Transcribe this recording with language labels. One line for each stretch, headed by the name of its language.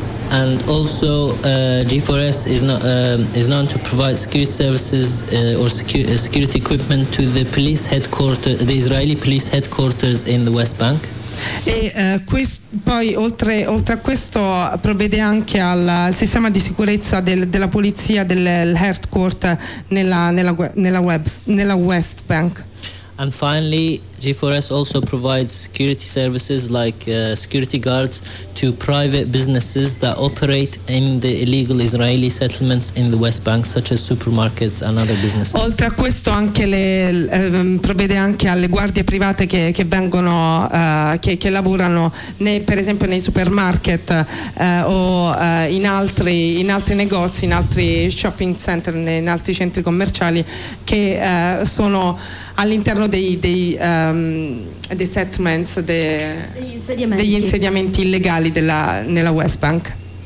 English: And also G4S is known to provide security services security equipment to the police headquarters, the Israeli police headquarters in the West Bank.
Italian: E poi oltre a questo provvede anche al sistema di sicurezza della polizia headquarter nella West Bank.
English: And finally, G4S also provides security services like security guards to private businesses that operate in the illegal Israeli settlements in the West Bank, such as supermarkets and other businesses.
Italian: Oltre a questo, anche provvede anche alle guardie private che vengono che lavorano per esempio nei supermarket in altri negozi, in altri shopping center, in altri centri commerciali che sono all'interno dei settlements, degli insediamenti illegali nella West Bank.